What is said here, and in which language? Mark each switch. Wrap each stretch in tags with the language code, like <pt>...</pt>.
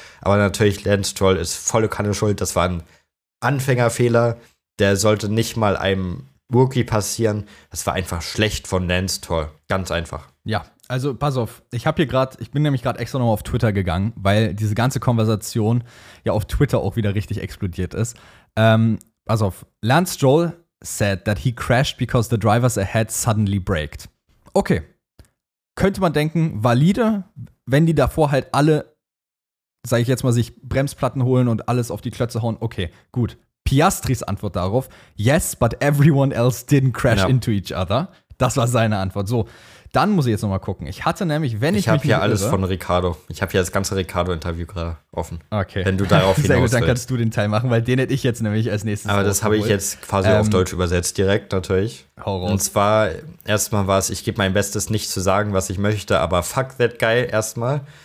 <de>Aber natürlich, Lance Stroll ist volle Kanne schuld. Das war ein Anfängerfehler. Der sollte nicht mal einem Rookie passieren. Das war einfach schlecht von Lance Stroll. Ganz einfach. Ja, also pass auf. Ich bin nämlich gerade extra noch auf Twitter gegangen, weil diese ganze Konversation ja auf Twitter auch wieder richtig explodiert ist.</de> <en>Lance Stroll said that he crashed because the drivers ahead suddenly braked.</en> <de>Okay, könnte man denken, valide, wenn die davor halt alle, sag ich jetzt mal, sich Bremsplatten holen und alles auf die Klötze hauen. Okay, gut. Piastris Antwort darauf,</de> <en>yes, but everyone else didn't crash into each other.</en> <de>Das war seine Antwort. So, dann muss ich jetzt nochmal gucken. Ich hatte nämlich, Ich habe hier das ganze Ricciardo-Interview gerade offen. Okay. Wenn du darauf hinaus willst. Dann kannst du den Teil machen, weil den hätte ich jetzt nämlich als nächstes. Aber das habe ich jetzt quasi auf Deutsch übersetzt, direkt natürlich. Horror. Und zwar, erstmal war es, ich gebe mein Bestes, nicht zu sagen, was ich möchte, aber</de> <en>fuck that guy</en> <de>erstmal.</de>